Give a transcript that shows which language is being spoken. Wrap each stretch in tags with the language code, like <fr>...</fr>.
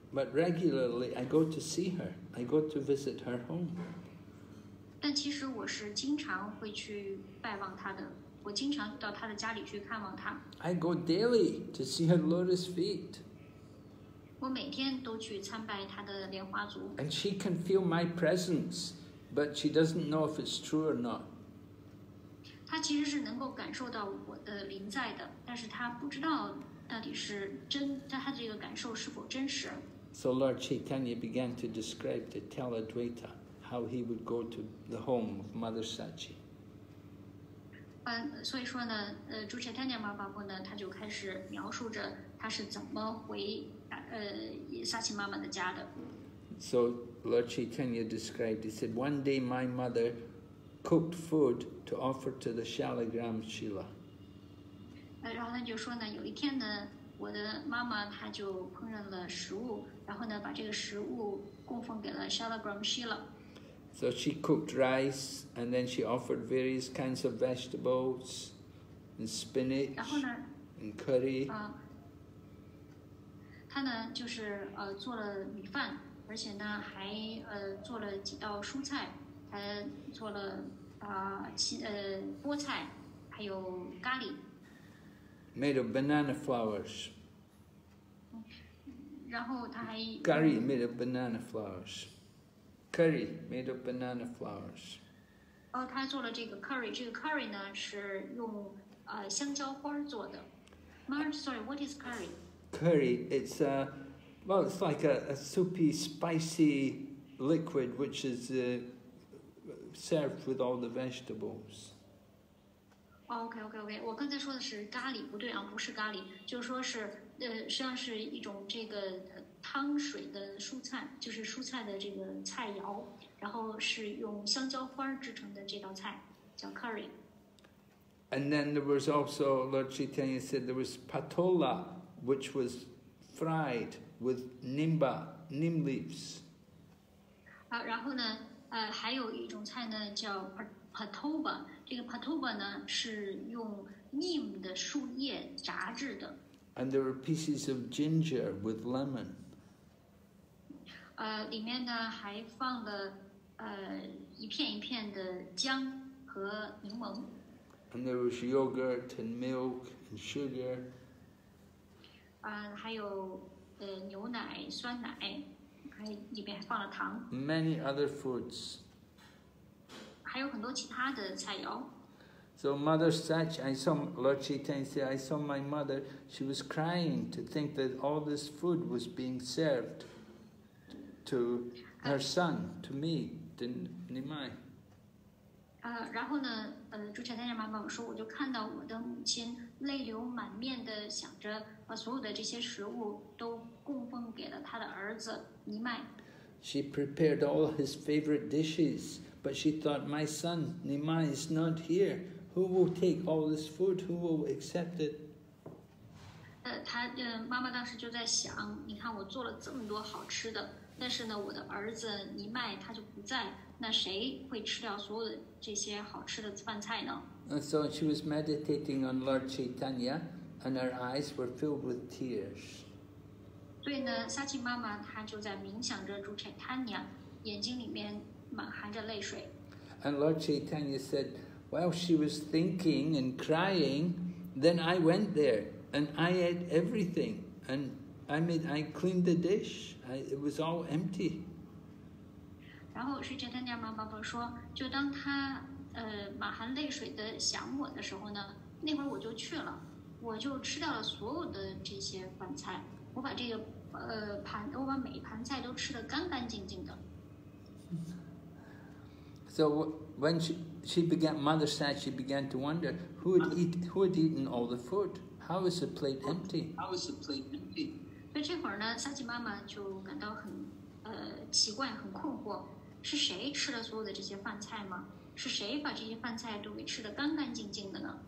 <en>But regularly I go to see her. I go to visit her home.</en> <zh>但其实我是经常会去拜望她的。我经常到他的家里去看望他。</zh> <en>I go daily to see her lotus feet.</en> <zh>我每天都去参拜他的莲花足。</zh> <en>And she can feel my presence, but she doesn't know if it's true or not.</en> <zh>他其实是能够感受到我的临在的，但是他不知道到底是真，他这个感受是否真实。</zh> <en>So Lord Chaitanya began to describe to tell Advaita how he would go to the home of Mother Sachi.</en> <zh>所以说呢，朱彻坦尼玛巴布呢，他就开始描述着他是怎么回萨奇妈妈的家的。</zh> <en>So Lord Chaitanya described, he said, one day my mother cooked food to offer to the Shaligram Shila.</en> <zh>然后他就说呢，有一天呢，我的妈妈她就烹饪了食物，然后呢，把这个食物供奉给了 Shaligram Shila。</zh> <en>So she cooked rice, and then she offered various kinds of vegetables, and spinach, and curry.</en> <zh>她呢就是做了米饭，而且呢还做了几道蔬菜，还做了菠菜，还有咖喱。</zh> <en>Made of banana flowers.</en> <zh>然后她还</zh> <en>curry made of banana flowers. Curry made of banana flowers.</en> <zh>他做了这个 curry. 这个 curry 呢是用香蕉花做的。</zh> <en>What is curry? Curry, it's a, well, it's like a soupy, spicy liquid which is served with all the vegetables. Okay.</en> <zh>我刚才说的是咖喱，不对啊，不是咖喱，就是说是实际上是一种这个。汤水的蔬菜就是蔬菜的这个菜肴，然后是用香蕉花制成的这道菜叫 curry。</zh> <en>And then there was also Lord Chaitanya said there was patola, which was fried with neem leaves.</en> <zh>然后呢，还有一种菜呢叫 patoba， 这个 patoba 呢是用 neem 的树叶炸制的。</zh> <en>And there were pieces of ginger with lemon.</en> <zh>里面呢还放了一片一片的姜和柠檬。</zh> <en>And there was yogurt and milk and sugar.</en> <zh>还有牛奶、酸奶，还里面还放了糖。</zh> <en>Many other foods.</en> <zh>还有很多其他的菜肴。</zh> <en>So Mother Sach, I saw Lord Chaitanya say, I saw my mother. She was crying to think that all this food was being served. To her son, to me, to Nimai.</en> <zh>然后呢，朱彻坦尼玛巴布说，我就看到我的母亲泪流满面的想着，把所有的这些食物都供奉给了他的儿子尼麦。</zh> <en>She prepared all his favorite dishes, but she thought, my son Nimai is not here. Who will take all this food? Who will accept it?</en> <zh>妈妈当时就在想，你看我做了这么多好吃的。但是呢，我的儿子尼麦他就不在，那谁会吃掉所有的这些好吃的饭菜呢</zh> <en>？So she was meditating on Lord Chaitanya, and her eyes were filled with tears.</en> <zh>所以呢，萨奇妈妈她就在冥想着朱彻坦尼玛，眼睛里面满含着泪水。</zh> <en>And Lord Chaitanya said, while she was thinking and crying, then I went there and I ate everything and. I cleaned the dish. It was all empty.</en> <zh>然后是这坦尼玛巴布说，就当他满含泪水的想我的时候呢，那会儿我就去了，我就吃掉了所有的这些饭菜，我把这个我把每一盘菜都吃得干干净净的。</zh> <en>So when she began, mother said she began to wonder who had eaten all the food. How is the plate empty? How is the plate empty?</en> <zh>所以这会儿呢，萨吉妈妈就感到很奇怪，很困惑，是谁吃了所有的这些饭菜吗？是谁把这些饭菜都给吃得干干净净的呢</zh>